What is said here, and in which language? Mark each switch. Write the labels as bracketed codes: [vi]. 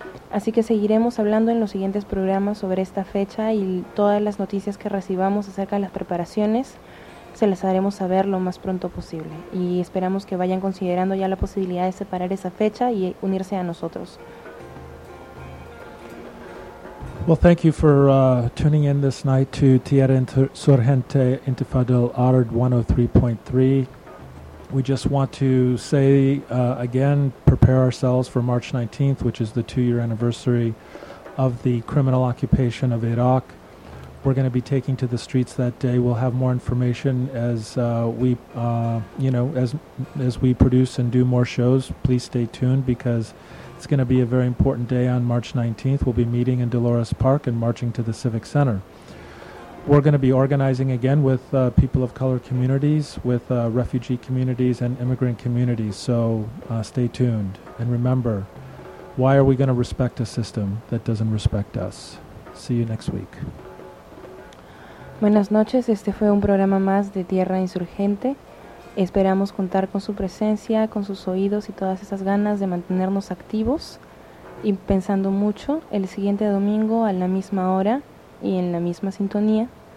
[es] Así que seguiremos hablando en los siguientes programas sobre esta fecha y todas las noticias que recibamos acerca de las preparaciones se las haremos saber lo más pronto posible. Y esperamos que vayan considerando ya la posibilidad de separar esa fecha y unirse a nosotros. [en] Well, thank you for tuning in this night to Tierra Insurgente Intifada del Ard 103.3. We just want to say again, prepare ourselves for March 19th, which is the two-year anniversary of the criminal occupation of Iraq. We're going to be taking to the streets that day. We'll have more information as we produce and do more shows. Please stay tuned because it's going to be a very important day on March 19th. We'll be meeting in Dolores Park and marching to the Civic Center. We're going to be organizing again with people of color communities, with refugee communities and immigrant communities. So stay tuned. And remember, why are we going to respect a system that doesn't respect us? See you next week. [es] Buenas noches. Este fue un programa más de Tierra Insurgente. Esperamos contar con su presencia, con sus oídos y todas esas ganas de mantenernos activos y pensando mucho el siguiente domingo a la misma hora y en la misma sintonía.